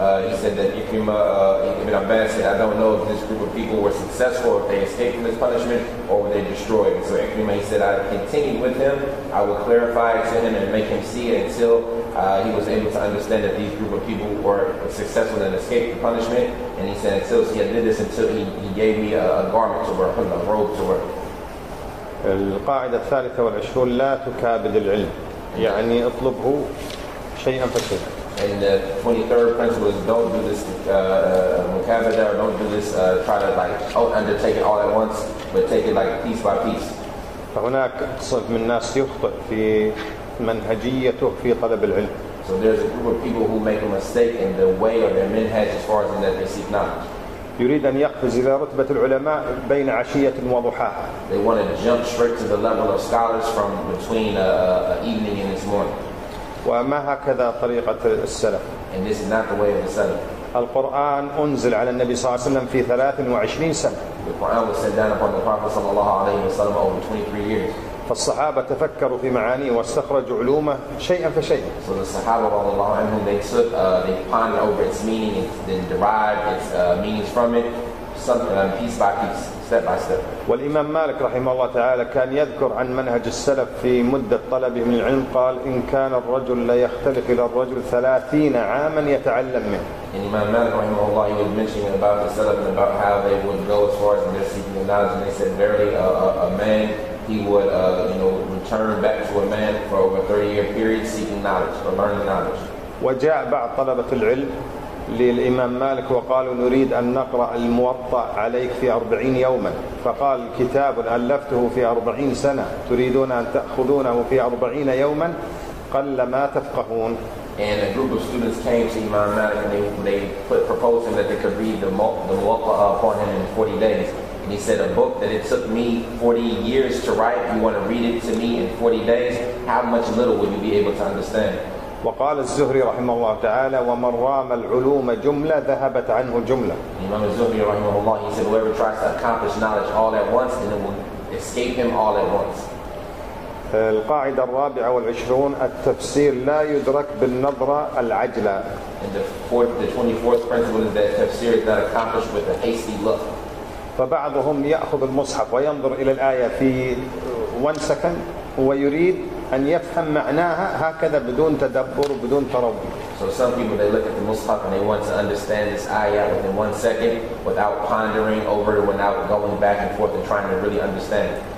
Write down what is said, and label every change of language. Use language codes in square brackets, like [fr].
[en] He said that Ibn Abbas said I don't know if this group of people were successful if they escaped from this punishment or were they destroyed. So Ikrimah he said I continued with him, I will clarify it to him and make him see it until he was able to understand that these group of people were successful and escaped the punishment. And he said until he had did this until he gave me a garment to wear, a robe to wear. [ar] القاعدة الثالثة والعشرون لا تكابد العلم يعني اطلبه شيئا فشيئا. [en] And the 23rd principle is don't do this mukabada or don't do this try to like undertake it all at once but take it like piece by piece. [ar] فهناك صنف من الناس يخطئ في منهجيته في طلب العلم. [en] So there's a group of people who make a mistake in the way of their minhaj as far as in that they seek knowledge. [ar] يريد أن يقفز إلى رتبة العلماء بين عشية وضحاها. [en] They want to jump straight to the level of scholars from between evening and this morning. [ar] وما هكذا طريقة السلف. [en] And this is not the way of the salaf. [ar] القرآن أنزل على النبي صلى الله عليه وسلم في 23 سنة. [en] The Quran was sent down upon the Prophet [ar] صلى الله عليه وسلم [en] over 23 years. [ar] فالصحابة تفكروا في معاني واستخرجوا علومه شيئا فشيئا. [en] So the Sahaba [ar] رضي الله عنهم [en] they pondered over its meaning and then derived its meanings from it piece by piece, step by step. [ar] والإمام مالك رحمه الله تعالى كان يذكر عن منهج السلف في مدة طلبه من العلم قال إن كان الرجل لا يختلف إلى الرجل 30 عاما يتعلم منه. [en] And Imam Malik [ar] رحمه الله [en] he was mentioning about the Salaf and about how they would go as far as in their seeking knowledge and they said verily a man he would return back to a man for over a 30-year period seeking knowledge or learning knowledge. [ar] وجاء بعض طلبة العلم للإمام مالك وقالوا نريد أن نقرأ الموطأ عليك في 40 يوما. فقال كتاب ألفته في 40 سنة تريدون أن تأخذونه في 40 يوما قل ما تفقهون. [en] And a group of students came to Imam Malik and they proposed him that they could read the muwatta upon him in 40 days. And he said, a book that it took me 40 years to write, you want to read it to me in 40 days? How much little will you be able to understand? [ar] وقال الزهري رحمه الله تعالى ومن رام العلوم جملة ذهبت عنه جملة. [en] Imam al-Zuhri [ar] رحمه الله, [en] he said, whoever tries to accomplish knowledge all at once, then it will escape him all at once. [ar] القاعدة الرابعة والعشرون التفسير لا يدرك بالنظرة العجلة. [en] And the 24th principle is that tafsir is not accomplished with a hasty look. [ar] فبعضهم يأخذ المصحف وينظر إلى الآية في [en] one second [ar] ويريد أن يفهم معناها هكذا بدون تدبر وبدون تروي. [en] So some people, they look at the Mus'haf and they want to understand this ayah within one second without pondering over it, without going back and forth and trying to really understand.